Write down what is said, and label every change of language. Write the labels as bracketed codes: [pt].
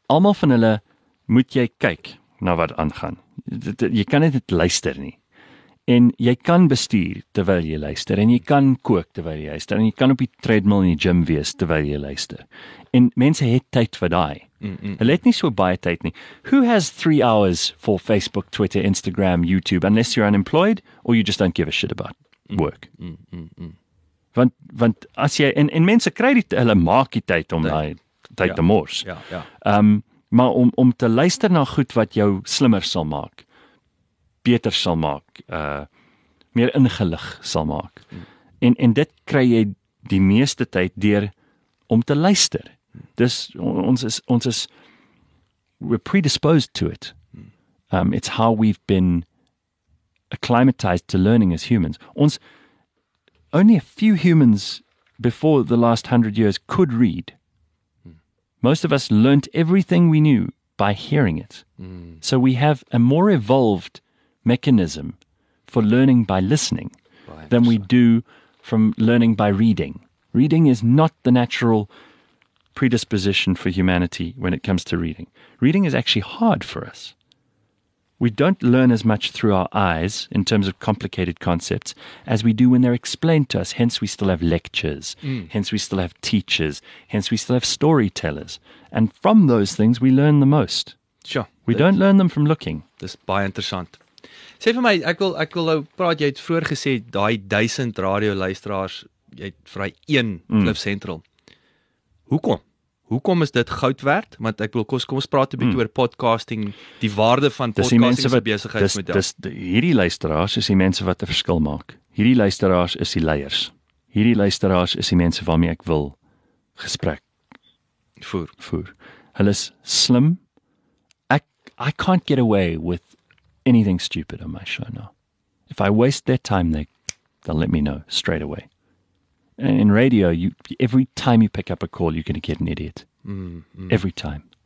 [af] Almal van hulle moet jy kyk na wat aangaan. Jy kan net luister nie. En jy kan bestuur terwyl jy luister en jy kan kook terwyl jy luister en jy kan op die treadmill in die gym wees terwyl jy luister. En mense het tyd vir daai. Hulle het nie so baie tyd nie. [en] Who has 3 hours for Facebook, Twitter, Instagram, YouTube unless you're unemployed or you just don't give a shit about work? [af] Want as jy en mense kry dit hulle maak die tyd om daai tyd te mors. Maar om te luister na goed wat jou slimmer sal maak. Beter sal maak, meer ingelig sal maak. En dit kry jy die meeste tyd deur om te luister. Dus ons is [en] we're predisposed to it. It's how we've been acclimatized to learning as humans. Ons, only a few humans before the last 100 years could read. Most of us learnt everything we knew by hearing it. So we have a more evolved mechanism for learning by listening than we do from learning by reading. Reading is not the natural predisposition for humanity when it comes to reading. Reading is actually hard for us. We don't learn as much through our eyes in terms of complicated concepts as we do when they're explained to us. Hence, we still have lectures. Hence, we still have teachers. Hence, we still have storytellers. And from those things, we learn the most. Sure. We don't learn them from looking. [af] Dis baie interessant. Sê vir my, ek wil nou praat, jy het vroeër gesê, daai 1000 radio luisteraars, jy het vir daai 1 Klif Central. Hoekom? Hoekom is dit goud werd? Want ek wil, kom ons praat 'n bietjie oor podcasting, die waarde van podcasting as 'n besigheidsmodel. Hierdie luisteraars is die mense wat 'n verskil maak. Hierdie luisteraars is die leiers. Hierdie luisteraars is die mense waarmee ek wil gesprek voer. Hulle is slim. [en] I can't get away with anything stupid on my show now. If I waste their time, they'll let me know straight away. And in radio, every time you pick up a call, you're going to get an idiot. Every time.